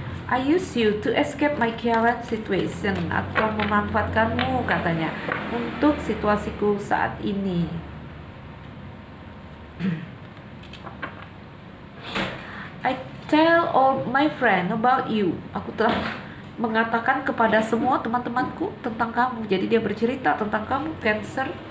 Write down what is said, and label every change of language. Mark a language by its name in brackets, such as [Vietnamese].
[English] I use you to escape my current situation. [Indonesian] Aku memanfaatkanmu, katanya, untuk situasiku saat ini. [English] I tell all my friend about you. [Indonesian] Aku telah mengatakan kepada semua teman-temanku tentang kamu. Jadi dia bercerita tentang kamu, Cancer.